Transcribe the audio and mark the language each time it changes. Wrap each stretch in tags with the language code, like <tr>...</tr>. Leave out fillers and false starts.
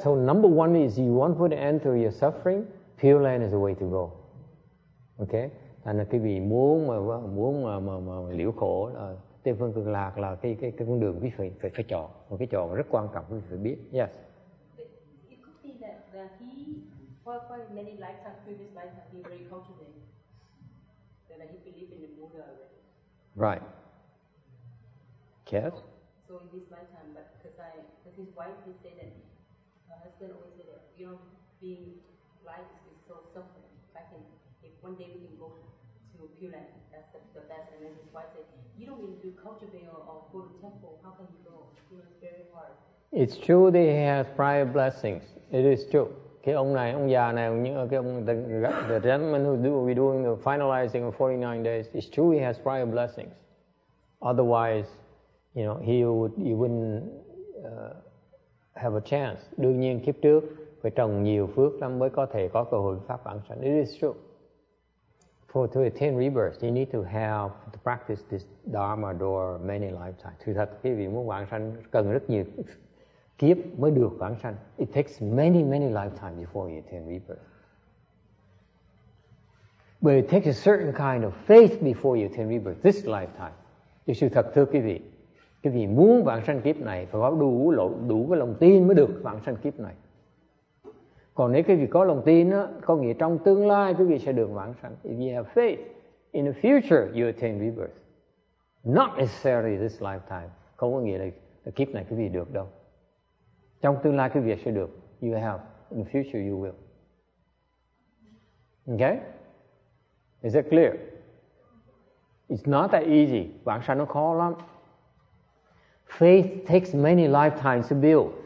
<en>So number one is you want to put an end to your suffering, Pure Land is the way to go. Okay?</en> <vi>Thành là cái vị muốn mà liễu khổ là Tây Phương Cực Lạc là cái con đường quý vị phải chọn, một cái chọn rất quan trọng quý vị phải biết.</vi> <en>Yes. It could be that he for many lifetimes, previous lifetimes, he very cultivated, that he believed in the Buddha already. Right. Yes. So in this lifetime, but because his wife, he said that her husband always said that, you know, being light is so suffering. If one day we can go to Pure Land, that's the best. And then his wife said, you don't need to cultivate or go to temple. How can you go? It was very hard. It's true that he has prior blessings. It is true.</en> <vi>Cái ông này, ông già này,</vi> <en>the gentleman who we're doing the finalizing of 49 days, it's true he has prior blessings. Otherwise, you know, he wouldn't have a chance.</en> <vi>Đương nhiên kiếp trước phải trồng nhiều phước lắm mới có thể có cơ hội pháp vãng sanh.</vi> <en>It is true. For to attain rebirth, you need to have to practice this dharma door many lifetimes.</en> <vi>Thực thật, quý vị muốn vãng sanh cần rất nhiều kiếp mới được vãng sanh.</vi> <en>It takes many many lifetimes before you attain rebirth. But it takes a certain kind of faith before you attain rebirth. This lifetime, you should</en> <vi>thật thưa quý vị. Cái vì muốn vãng sanh kiếp này phải có đủ cái lòng tin mới được vãng sanh kiếp này. Còn nếu cái vị có lòng tin á, có nghĩa trong tương lai cái vị sẽ được vãng sanh.</vi> <en>If you have faith, in the future you attain rebirth. Not necessarily this lifetime.</en> <vi>Không có nghĩa là kiếp này cái vị được đâu. Trong tương lai cái vị sẽ được.</vi> <en>You have. In the future you will. Okay? Is that clear? It's not that easy.</en> <vi>Vãng sanh nó khó lắm.</vi> <en>Faith takes many lifetimes to build.</en>